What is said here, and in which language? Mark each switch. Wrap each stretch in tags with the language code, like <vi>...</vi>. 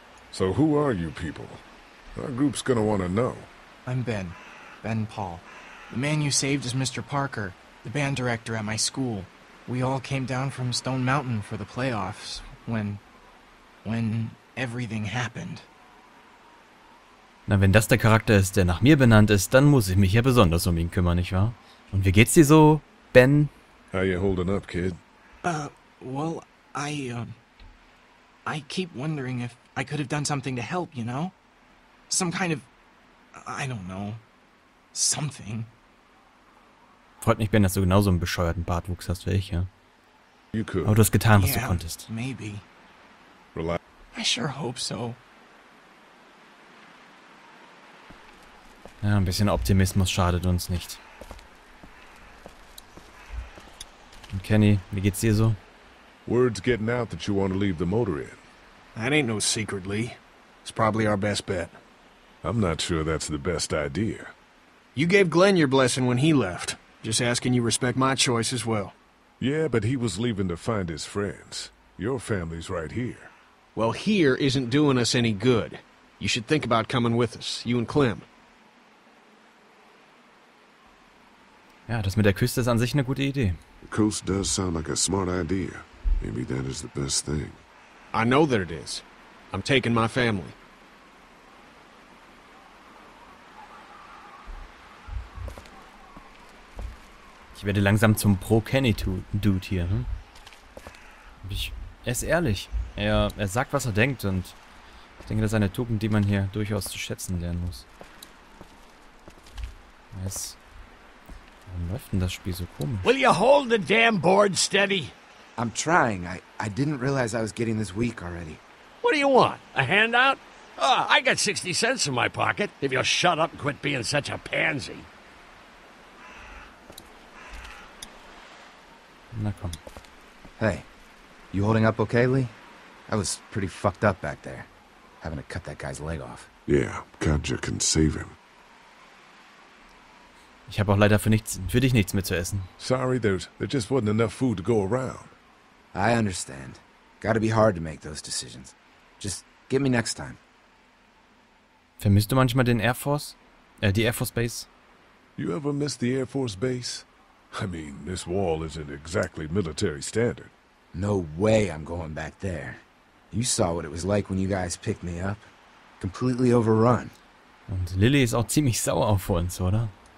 <en>So who are you people? Our group's gonna want to know. I'm Ben. Ben Paul. The man you saved is Mr. Parker, the band director at my school. We all came down from Stone Mountain for the playoffs when everything happened.</en> <de>Na, wenn das der Charakter ist, der nach mir benannt ist, dann muss ich mich ja besonders um ihn kümmern, nicht wahr? Und wie geht's dir so, Ben?</de> <en>How you holding up, kid? Well, I keep wondering if I could have done something to help, you know? Some kind of, I don't know, something.</en> <de>Freut mich, Ben, dass du genauso einen bescheuerten Bartwuchs hast wie ich, ja?</de> <en>You could.</en> <de>Aber du hast getan, was</de> <en>yeah,</en> <de>du konntest.</de> <en>Maybe. Relax. I sure hope so.</en> <de>Ja, ein bisschen Optimismus schadet uns nicht. Und Kenny, wie geht's dir so?</de> <en>Word's getting out that you want to leave the motor in. That ain't no secret, Lee. It's probably our best bet. I'm not sure that's the best idea. You gave Glenn your blessing when he left. Just asking you respect my choice as well. Yeah, but he was leaving to find his friends. Your family's right here. Well, here isn't doing us any good. You should think about coming with us, you and Clem.</en> <de>Ja, das mit der Küste ist an sich eine gute Idee.</de> <en>The coast does sound like a smart idea. Maybe that is the best thing. I know that it is. I'm taking my family.</en> <de>Ich werde langsam zum Pro-Kenny-Dude hier. Hm? Er ist ehrlich. Er sagt, was er denkt. Und ich denke, das ist eine Tugend, die man hier durchaus zu schätzen lernen muss. Warum läuft denn das Spiel so komisch?</de> <en>Will you hold the damn board steady? I'm trying. I didn't realize I was getting this weak already. What do you want? A handout? Oh, I got 60 cents in my pocket. If you'll shut up and quit being such a pansy.</en> <de>Na komm.</de> <en>Hey, you holding up okay, Lee? I was pretty fucked up back there, having to cut that guy's leg off. Yeah, Kaja can save him.</en> <de>Ich habe auch leider für dich nichts mehr zu essen.</de> <en>Sorry, there just wasn't enough food to go around. I understand. Gotta be hard to make those decisions. Just get me next time.</en> <de>Vermisst du manchmal den Air Force? Die Air Force Base?</de> <en>You ever miss the Air Force Base? I mean, this wall isn't exactly military standard. No way I'm going back there. You saw what it was like when you guys picked me up. Completely overrun.</en> <de>Und Lily ist auch ziemlich sauer auf uns, oder?</de>